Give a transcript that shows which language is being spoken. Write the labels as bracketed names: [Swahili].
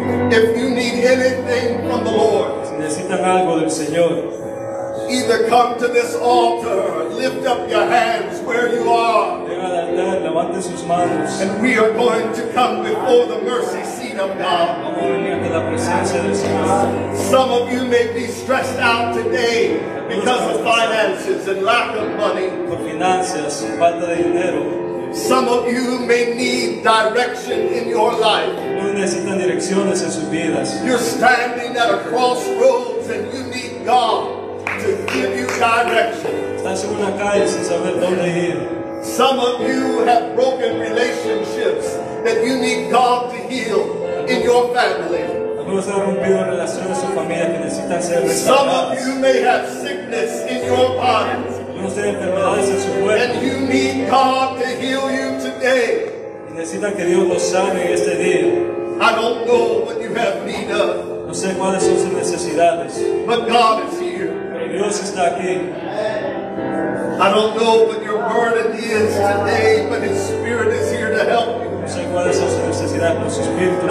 [English] If you need anything from the Lord, [Spanish] si necesitan algo del Señor, [English] either come to this altar, lift up your hands where you are, [Spanish] levanten sus manos, [English] and we are going to come before the mercy seat of God. [Spanish] Vamos a venir ante la presencia del Señor. [English] Some of you may be stressed out today because of finances and lack of money. [Spanish] Por finanzas, falta de dinero. [English] Some of you may need direction in your life. [Spanish] Algunos necesitan direcciones en sus vidas. [English] You're standing at a crossroads and you need God to give you direction. [Spanish] Estás en una calle sin saber dónde ir. [English] Some of you have broken relationships that you need God to heal in your family. [Spanish] Algunos han rompido relaciones en su familia que necesitan ser restauradas. [English] Some of you may have sickness in your body. [Spanish] Algunos tienen enfermedades en su cuerpo. [English] And you need God to heal you today. [Spanish] Y necesitan que Dios los sane este día. [English] I don't know what you have need of. [Spanish] No sé cuáles son sus necesidades. [English] But God is here. [Spanish] Dios está aquí. [English] I don't know what your burden is today, but His Spirit is here to help you. And